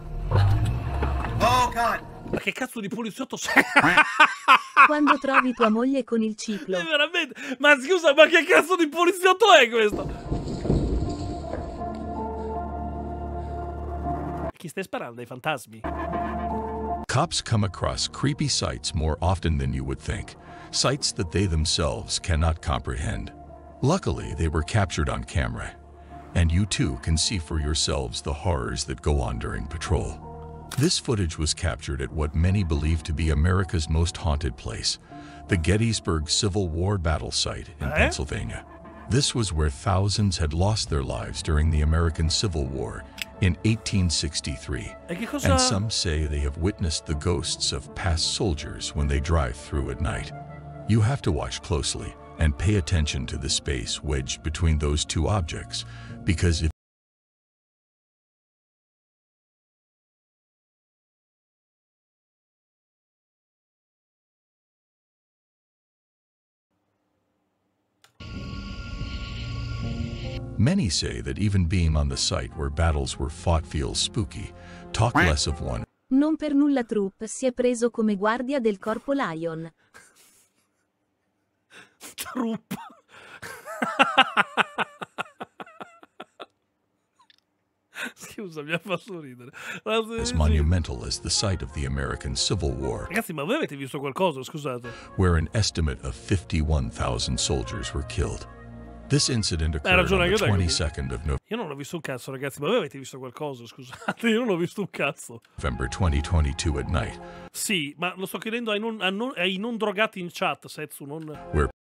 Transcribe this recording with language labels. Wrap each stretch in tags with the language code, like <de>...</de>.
<en>Oh, God!</en> <it>Ma che cazzo di poliziotto sei? Quando trovi tua moglie con il ciclo. Veramente? Ma scusa, ma che cazzo di poliziotto è questo? Chi stai sparando? Ai fantasmi?</it> <en>Cops come across creepy sights more often than you would think. Sights that they themselves cannot comprehend. Luckily, they were captured on camera. And you too can see for yourselves the horrors that go on during patrol. This footage was captured at what many believe to be America's most haunted place, the Gettysburg Civil War Battle Site in Pennsylvania. This was where thousands had lost their lives during the American Civil War in 1863. And some say they have witnessed the ghosts of past soldiers when they drive through at night. You have to watch closely and pay attention to the space wedged between those two objects, because if many say that even being on the site where battles were fought feels spooky. Talk less of one.</en> <it>Non per nulla Troop si è preso come guardia del corpo Lion. Troop. Scusa, mi ha fatto ridere.</it> <en>As monumental as the site of the American Civil War.</en> <it>Ragazzi, ma voi avete visto qualcosa? Scusate.</it> <en>Where an estimate of 51,000 soldiers were killed. This incident occurred on the 22nd of November.</en> <it>Io non ho visto un cazzo, ragazzi, ma voi avete visto qualcosa, scusate, io non ho visto un cazzo.</it> <en>November 2022 at night.</en> <it>Sì, ma lo sto chiedendo ai non drogati in chat, Setsu, non...</it> <en>Where...</en>